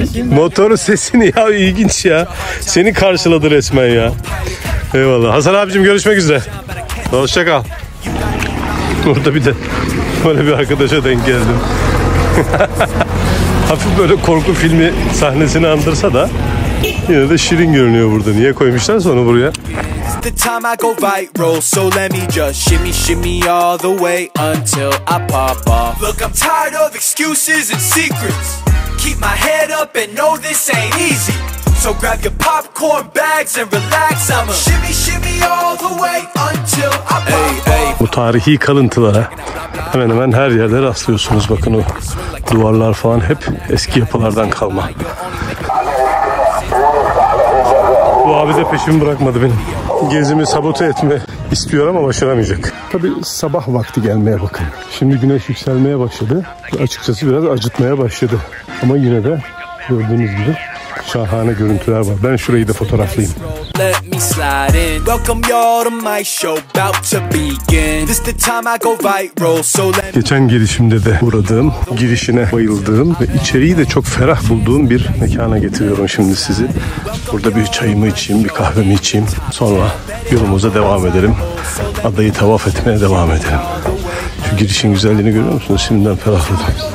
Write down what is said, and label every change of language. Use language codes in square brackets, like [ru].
[tr] Motorun sesini ya, ilginç ya. Seni karşıladı resmen ya. Eyvallah. Hasan abicim görüşmek üzere. Hoşça kal. Burada bir de böyle bir arkadaşa denk geldim. Hafif böyle korku filmi sahnesini andırsa da yine de şirin görünüyor burada. Niye koymuşlar onu buraya? [en] The time I go viral, so let me just shimmy shimmy all the way until I pop off. Look, I'm tired of excuses and secrets. Keep my head up and know this ain't easy. So grab your popcorn bags and relax. I'ma shimmy shimmy all the way until I pop off. [tr] Bu tarihi kalıntılara hemen hemen her yerde rastlıyorsunuz. Bakın o duvarlar falan hep eski yapılardan kalma. Bu abi de peşimi bırakmadı benim. Gezimi sabote etme istiyor ama başaramayacak. Tabii sabah vakti gelmeye bakın. Şimdi güneş yükselmeye başladı. Açıkçası biraz acıtmaya başladı. Ama yine de gördüğünüz gibi şahane görüntüler var. Ben şurayı da fotoğraflayayım. [en] Let me slide in. Welcome y'all to my show, about to begin. This the time I go viral, so let me. [tr] Geçen girişimde de uğradığım, girişine bayıldığım ve içeriği de çok ferah bulduğum bir mekana getiriyorum şimdi sizi. Burada bir çayımı içeyim, bir kahvemi içeyim. Sonra yolumuza devam edelim. Adayı tavaf etmeye devam edelim. Şu girişin güzelliğini görüyor musunuz? Şimdiden ferahladım.